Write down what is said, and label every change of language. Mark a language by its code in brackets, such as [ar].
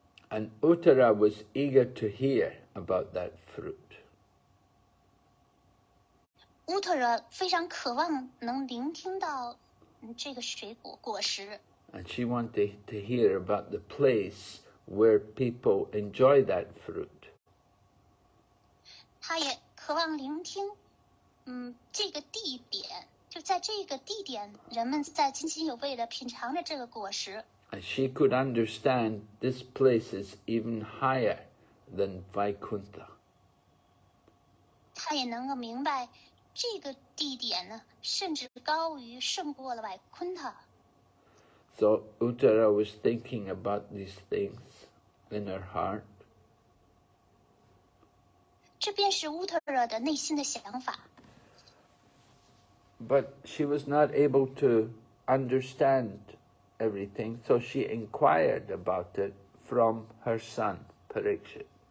[en] And Uttara was eager to hear about that fruit. [zh] Uttara 非常渴望能聆听到这个水果果实。 [en] And she wanted to hear about the place where people enjoy that fruit. [zh] 她也渴望聆听，这个地点，就在这个地点，人们在津津有味地品尝着这个果实。 [en] And she could understand this place is even higher than Vaikuntha. [zh] 她也能够明白，这个地点呢，甚至高于胜过了百昆塔。 [en] So Uttara was thinking about these things in her heart. [zh] 这便是 Uttara 的内心的想法。 [en] But she was not able to understand everything, so she inquired about it from her son, Parikshit.